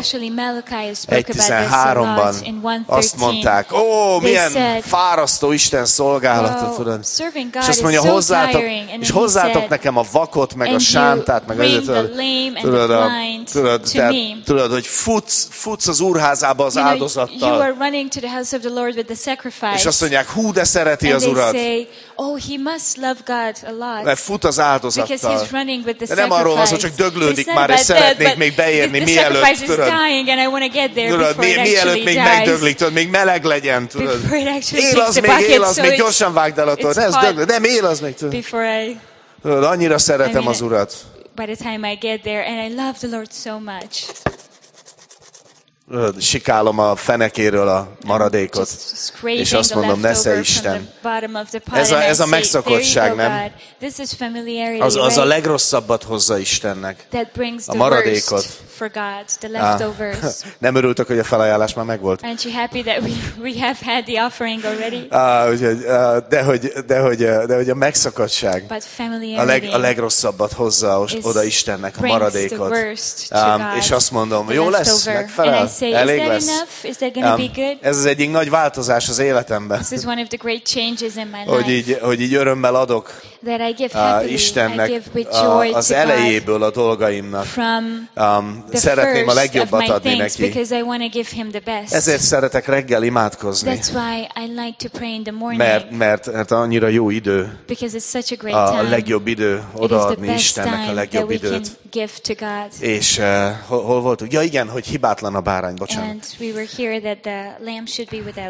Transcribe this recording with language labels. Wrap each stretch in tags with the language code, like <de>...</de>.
<hu>1:13-ban azt mondták, ó, milyen fárasztó Isten szolgálata, tudod. És azt mondja, hozzátok nekem a vakot, meg a sántát, meg az tudod, hogy futsz az úrházába az áldozattal.</hu> <en>You are running to the house of the Lord with the sacrifice.</en> <hu>És azt mondják, hú, de szereti az Urat.</hu> <en>And they say, oh, he must love God a lot.</en> <hu>Mert fut az áldozattal.</hu> <en>Because he's running with the sacrifice.</en> <hu>De nem arról van, hogy csak döglődik már, és szeretnék még beérni, mielőtt, tudod.</hu> <en>The sacrifice is dying, and I want to get there before it actually dies.</en> <hu>Mielőtt még megdöglik, tudod, még meleg legyen, tudod.</hu> <en>Before it actually takes the bucket.</en> <hu>Él az még, gyorsan vágd el attól. Ez döglődik. Nem, él az még, tudod. Annyira szeretem az Urat.</hu> <en>By the time I get there, and I love the Lord so much.</en> <hu>Sikálom a fenekéről a maradékot, és azt mondom, nesze Isten. Ez a megszokottság, nem? Az a legrosszabbat hozza Istennek, a maradékot.</hu> <en>For God, the leftovers.</en> <hu>Nem örültök, hogy a felajánlás már megvolt.</hu> <en>Aren't you happy that we have had the offering already?</en> <hu>De hogy a megszakadság a legrosszabbat hozza oda Istennek a maradékot. És azt mondom, jó lesz, megfelel, elég lesz. Ez az egyik nagy változás az életemben.</hu> <en>This is one of the great changes in my life.</en> <hu>Hogy így örömmel adok Istennek az elejéből a dolgaimnak. Szeretném a legjobbat adni neki. Ezért szeretek reggel imádkozni.</hu> <en>That's why I like to pray in the morning.</en> <hu>Mert annyira jó idő.</hu> <en>Because it's such a great time.</en> <hu>A legjobb idő odaadni Istennek a legjobb időt.</hu> <en>Give to God.</en> <hu>És hol voltunk? Ja igen, hogy hibátlan a bárány, bocsánat.</hu> <en>And we were here that the lamb should be without</en>